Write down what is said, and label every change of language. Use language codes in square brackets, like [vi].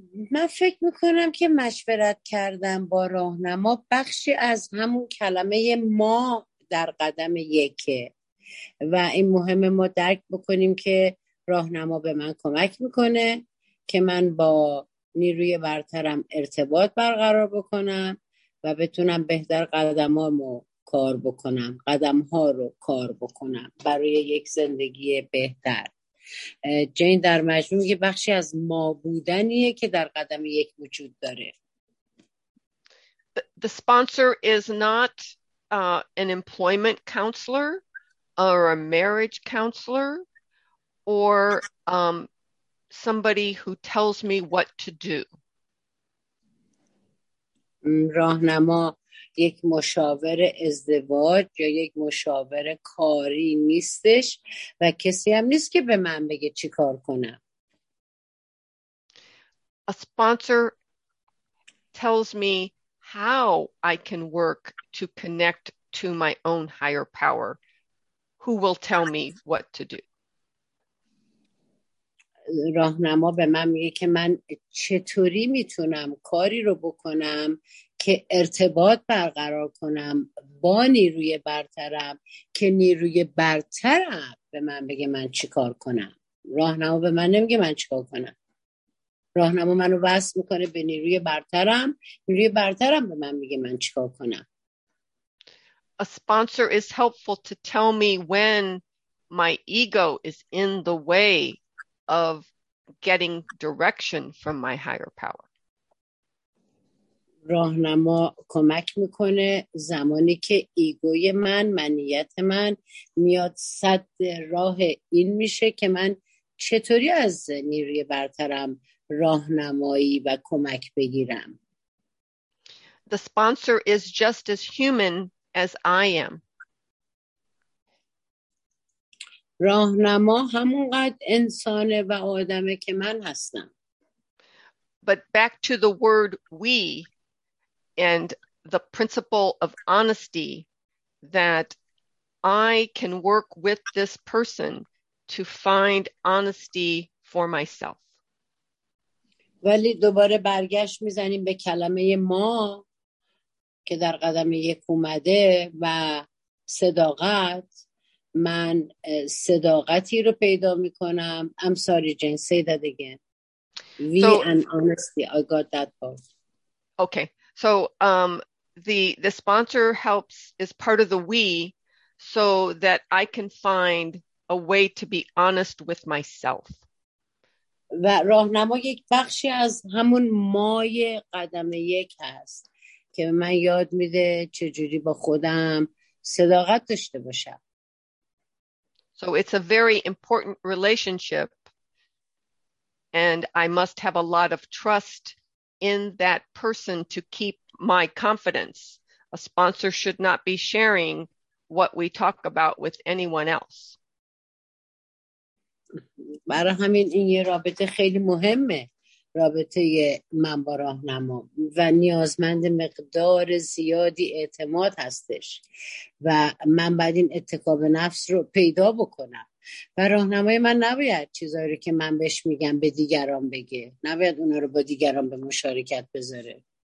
[fa] من فکر میکنم که مشورت کردن با راهنما بخشی از همون کلمه ما در قدم یکه و این مهمه ما درک بکنیم که راهنما به من کمک میکنه که من با نیروی برترم ارتباط برقرار بکنم و بتونم بهتر قدمامو کار بکنم، قدمها رو کار بکنم برای یک زندگی بهتر. جین در مجموع یه بخشی از ما بودنیه که در قدم یک وجود داره. [en] The sponsor is not an employment counselor or a marriage counselor or somebody who tells me what to do. [fa] راهنما یک مشاور ازدواج یا یک مشاور کاری نیستش و کسی هم نیست که به من بگه چی کار کنم. [en] A sponsor tells me how I can work to connect to my own higher power, who will tell me what to do. [fa] راهنما به من میگه که من چطوری میتونم کاری رو بکنم که ارتباط برقرار کنم با نیروی برترم که نیروی برترم به من بگه من چی کار کنم. راهنما به من نمیگه من چی کار کنم. راهنما منو وصل میکنه به نیروی برترم، نیروی برترم به من میگه من چی کار کنم. [en] A sponsor is helpful to tell me when my ego is in the way of getting direction from my higher power. [fa] راهنما کمک میکنه زمانی که ایگوی من، منیت من میاد سد راه این میشه که من چطوری از نیروی برترم راهنمایی و کمک بگیرم. [en] The sponsor is just as human as I am. [fa] راهنما همونقدر انسانه و آدمه که من هستم. [en] But back to the word we and the principle of honesty that I can work with this person to find honesty for myself. [fa] ولی دوباره برگشت میزنیم به کلمه ما که در قدم یک اومده و صداقت. من صداقتی رو پیدا میکنم. [en] I'm sorry, Jane. Say that again. We so, and honesty. I got that part. Okay. So the sponsor helps is part of the we, so that I can find a way to be honest with myself. [fa] و راهنما یک بخشی از همون مای قدم یک هست که من یاد میده چجوری با خودم صداقت داشته باشم. [en] So it's a very important relationship and I must have a lot of trust in that person to keep my confidence. A sponsor should not be sharing what we talk about with anyone else. [fa] برای همین این یه رابطه خیلی مهمه، رابطه من با راهنما، و نیازمند مقدار زیادی اعتماد هستش و من باید این اتکا به نفس رو پیدا بکنم و راهنمای من نباید چیزایی رو که من بهش میگم به دیگران بگه، نباید اونا رو با دیگران به مشارکت بذاره.